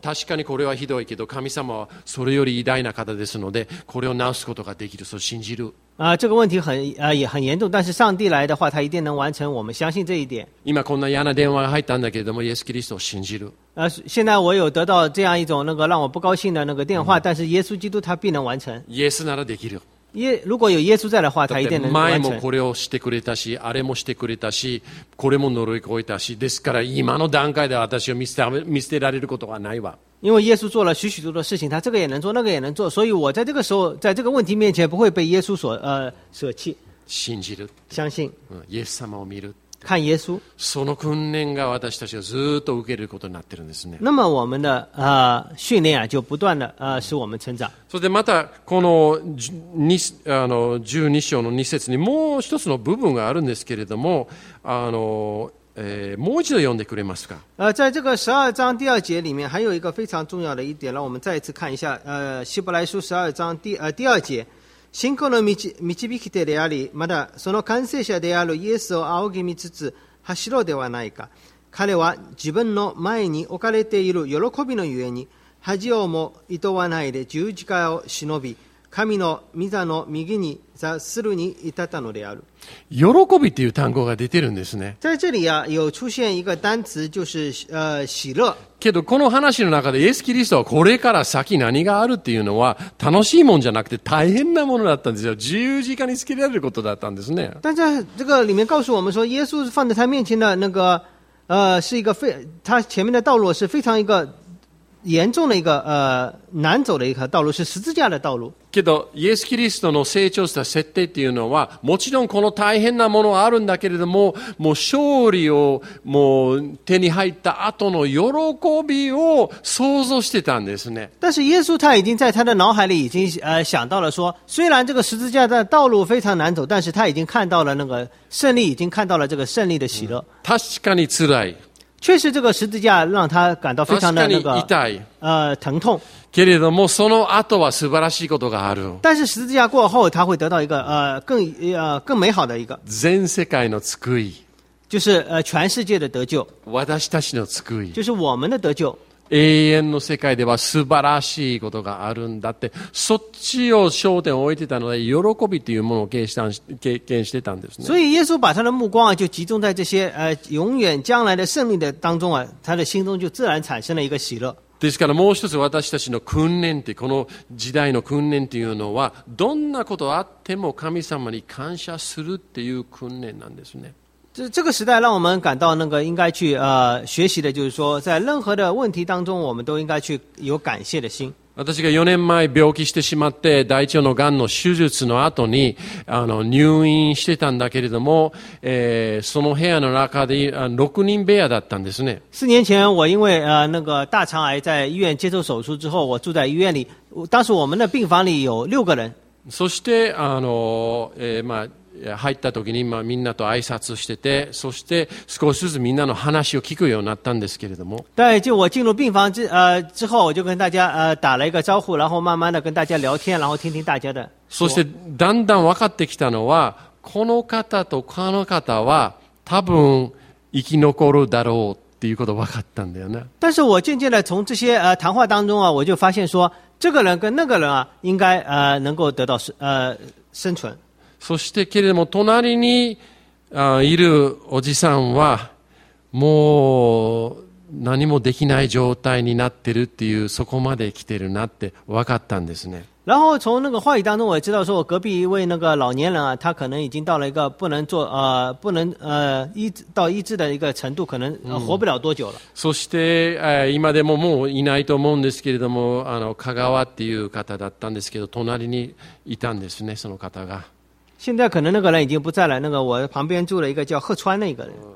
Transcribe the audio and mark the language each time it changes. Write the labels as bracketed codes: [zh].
[ja] 確かにこれはひどいけど、神様はそれより偉大な方ですので、これを治すことができる、そう信じる。 [zh] 啊，这个问题很啊也很严重，但是上帝来的话，他一定能完成。我们相信这一点。 [ja] 今こんな嫌な電話が入ったんだけれども、イエスキリストを信じる。 [zh] 啊，现在我有得到这样一种那个让我不高兴的那个电话，但是耶稣基督他必能完成。 [ja] イエスならできる。 [zh] 如果有耶稣在的话，他一定能完成。 [ja] 前もこれをしてくれたし、あれもしてくれたし、これも呪い越えたし、ですから今の段階で私を見捨てられることはないわ。 [zh] 因为耶稣做了许许多多事情，他这个也能做，那个也能做，所以我在这个时候，在这个问题面前，不会被耶稣所舍弃。 [ja] 信じる。 [zh] 相信。 [ja] イエス様を見る。 [zh] 看耶稣。 [ja] その訓練が私たちがずっと受けることになってるんですね。 [zh] 那么我们的训练啊，就不断的使我们成长。 [ja] そしてまたこの12章の2節にもう一つの部分があるんですけれども、もう一度読んでくれますか。 [zh] 在这个十二章第二节里面，还有一个非常重要的一点，让我们再一次看一下。希伯来书十二章第二节， [ja] 信仰の導き手であり、まだその完成者であるイエスを仰ぎ見つつ走ろうではないか。彼は自分の前に置かれている喜びのゆえに恥をも厭わないで十字架を忍び、神の御座の右に座するに至ったのである。喜びという単語が出てるんですね。 [zh] 在这里、啊、有出现一个单词就是喜乐。 [ja] けどこの話の中でイエス・キリストはこれから先何があるっていうのは楽しいもんじゃなくて大変なものだったんですよ。十字架につけられることだったんですね。 [zh] 但在这个里面告诉我们说，耶稣放在他面前的那个是一个非他前面的道路是非常一个严重的一个难走的一个道路，是十字架的道路。 [ja] けどイエス・キリストの成長した設定っていうのはもちろんこの大変なものはあるんだけれども、もう勝利をもう手に入った後の喜びを想像してたんですね。 [zh] 但是耶稣他已经在他的脑海里已经想到了说，虽然这个十字架的道路非常难走，但是他已经看到了那个胜利，已经看到了这个胜利的喜乐。 [ja] 確かに辛い。 [zh] 确实这个十字架让他感到非常的那个 [ja] 痛い。 [zh] 疼痛。 [ja] けれどもその後は素晴らしいことがある。 [zh] 但是十字架过后他会得到一个更美好的一个 [ja] 全世界の救い， [zh] 就是全世界的得救。 [ja] 私たちの救い， [zh] 就是我们的得救。 [ja] 永遠の世界では素晴らしいことがあるんだって、そっちを焦点を置いてたので喜びというものを経験してたんですね。 [zh] 所以耶稣把他的目光就集中在这些永远将来的胜利的当中，他的心中就自然产生了一个喜乐。 [ja] ですからもう一つ、私たちの訓練って、この時代の訓練っていうのは、どんなことあっても神様に感謝するっていう訓練なんですね。 [zh] 这个时代让我们感到那个应该去学习的，就是说在任何的问题当中，我们都应该去有感谢的心。 [ja] 私が4年前病気してしまって、大腸のがんの手術の後に入院してたんだけれども、その部屋の中で6人部屋だったんですね。 [zh] 4年前、我因为那个大肠癌在医院接受手术之后、我住在医院里、当时我们的病房里有6个人。 [ja] そして入った時に、みんなと挨拶してて、そして少しずつみんなの話を聞くようになったんですけれども。 [zh] 对，就我进入病房之后，我就跟大家打了一个招呼，然后慢慢的跟大家聊天，然后听听大家的。 [ja] そしてだんだん分かってきたのは、この方とこの方は多分生き残るだろうっていうことが分かったんだよね。 [zh] 但是我渐渐的从这些谈话当中啊，我就发现说，这个人跟那个人啊，应该能够得到生存。 [ja] そしてけれども隣にいるおじさんはもう何もできない状態になってるっていう、そこまで来てるなって分かったんですね。 [zh] 然后从那个话语当中，我知道说我隔壁一位那个老年人啊，他可能已经到了一个不能做不能医到医治的一个程度，可能活不了多久了。 [ja] そして今でももういないと思うんですけれども香川っていう方だったんですけど、隣にいたんですね、その方が。 [zh] 现在可能那个人已经不在了。那个我旁边住了一个叫贺川那个人。